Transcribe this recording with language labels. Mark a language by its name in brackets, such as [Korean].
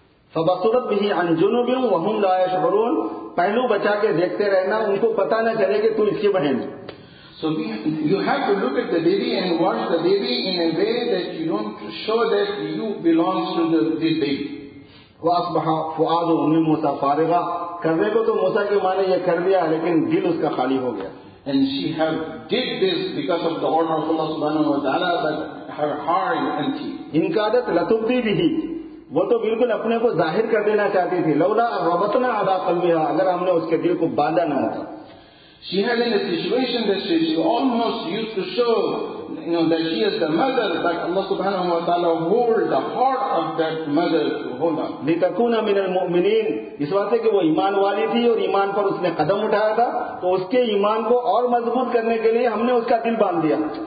[Arabic] فَبَصُرَتْ بِهِ عَنْ جُنُوبِهُمْ وَهُمْ لَا يَشْعُرُونَ [Urdu] پہلو بچا کے دیکھتے رہنا انکو پتا نہ چلے کہ تو اس کی بہن. [English] So you have to look at the baby and watch the baby in a way that you don't show that you belong to this baby. [Arabic] وَأَصْبَحَ فُعَادُ وَمِّ مُوسَى فَارِغًا. [Urdu] کرنے کو تو موسیٰ کے معنی یہ کر دیا لیکن دل اس کا خالی ہو گیا. [English] And she have did this because of the order of Allah subhanahu wa ta'ala, but her heart is empty. [Arabic] انقادت لَتُبْدِ بِهِ. [Urdu] وہ تو بالکل اپنے کو ظاہر کر دینا چاہتی تھی. [Arabic] لَوْلَا رَبَطْنَا عَلَىٰ قَلْبِهَا. [Urdu] اگر ہم نے اس کے دل کو باندھا نہ ہوتا. [English] She had in a situation that she almost used to show, you know, that she is the mother, but Allah subhanahu wa ta'ala hold the heart of that mother to hold on. [Arabic] لِتَكُونَ مِنَ الْمُؤْمِنِينَ. [Urdu] اس واسطے کہ وہ ایمان والی تھی اور ایمان پر اس نے قدم اٹھایا تھا تو اس کے ایمان کو اور مضبوط کرنے کے لیے ہم نے اس کا دل باندھ دیا.